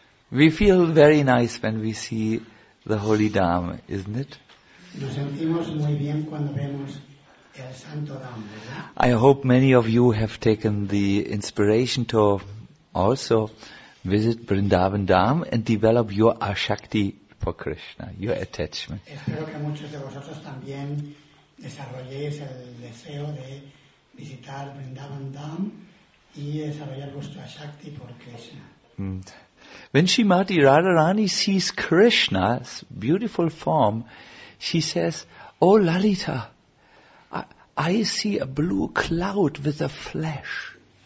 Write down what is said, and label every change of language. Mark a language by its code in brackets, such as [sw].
[en] We feel very nice when we see the Holy Dhamma, isn't it? [es] Nos sentimos muy bien cuando vemos el Santo Dhamma, ¿verdad? [en] I hope many of you have taken the inspiration to also visit Vrindavan Dham and develop your Ashakti for Krishna, your attachment. [es] Espero que muchos de vosotros también desarrolléis el deseo de visitar Vrindavan Dham y desarrollar vuestro Ashakti por Krishna. [en] When Srimati Radharani sees Krishna's beautiful form, she says, "Oh Lalita, I see a blue cloud with a flesh."